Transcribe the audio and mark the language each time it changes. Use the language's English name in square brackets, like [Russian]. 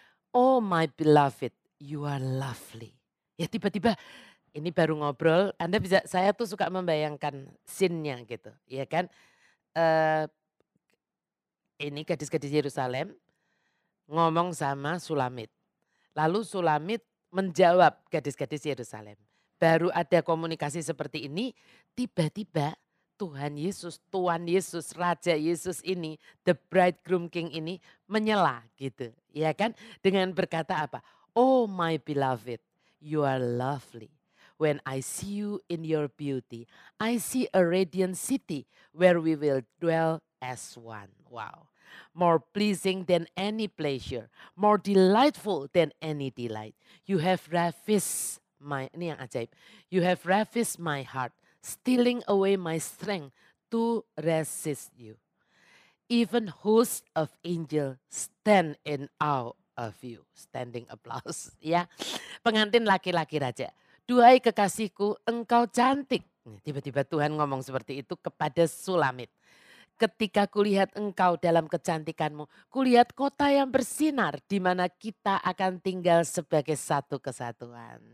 [English] Oh my beloved, you are lovely. [Indonesian] Ya tiba-tiba ini baru ngobrol, Anda bisa, saya tuh suka membayangkan scene-nya gitu. Ya kan? Ini gadis-gadis Yerusalem ngomong sama Sulamit. Lalu Sulamit menjawab gadis-gadis Yerusalem. Baru ada komunikasi seperti ini, tiba-tiba Tuhan Yesus, Tuhan Yesus, Raja Yesus ini, [English] the bridegroom king [Indonesian] ini menyela gitu. Ya kan? Dengan berkata apa? [English] Oh my beloved, you are lovely. When I see you in your beauty, I see a radiant city where we will dwell as one. Wow. More pleasing than any pleasure, more delightful than any delight. You have ravished my, [Indonesian] ini yang ajaib. [English] You have ravished my heart, stealing away my strength to resist you. Even hosts of angels stand in awe of you. Standing applause. [Indonesian] Ya. Pengantin laki-laki raja. Duhai kekasihku, engkau cantik. Tiba-tiba Tuhan ngomong seperti itu kepada Sulamit. Ketika kulihat engkau dalam kecantikanmu, kulihat kota yang bersinar di mana kita akan tinggal sebagai satu kesatuan.